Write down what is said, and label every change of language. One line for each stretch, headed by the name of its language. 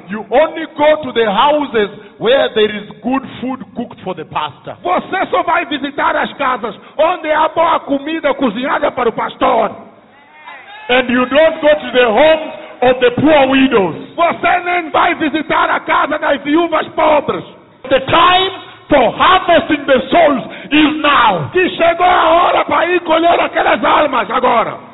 English: You only go to the houses where there is good food cooked for the pastor.
Portuguese: Você só vai visitar as casas onde há boa comida cozinhada para o pastor.
English: And you don't go to the homes of the poor widows.
Portuguese: Você nem vai visitar a casa das viúvas pobres.
English: The time for harvesting the souls is now.
Portuguese: Que chegou a hora para ir colher aquelas almas agora.